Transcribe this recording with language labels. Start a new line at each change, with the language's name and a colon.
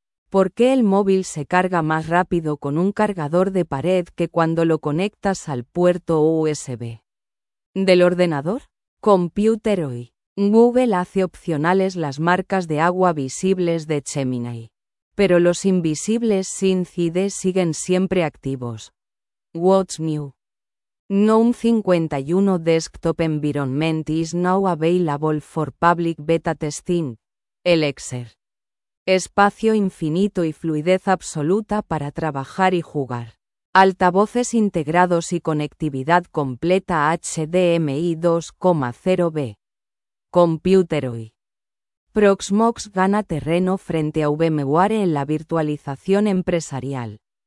Spanish: ¿Por qué el móvil se carga más rápido con un cargador de pared que cuando lo conectas al puerto USB? ¿Del ordenador? Computer Hoy. Google hace opcionales las marcas de agua visibles de Gemini. Pero los invisibles sin CID siguen siempre activos.
English: What's new? GNOME 51 Desktop Environment is now available for public beta testing. Elixir.
Spanish: Espacio infinito y fluidez absoluta para trabajar y jugar. Altavoces integrados y conectividad completa HDMI 2.0b. Computer Hoy. Proxmox gana terreno frente a VMware en la virtualización empresarial.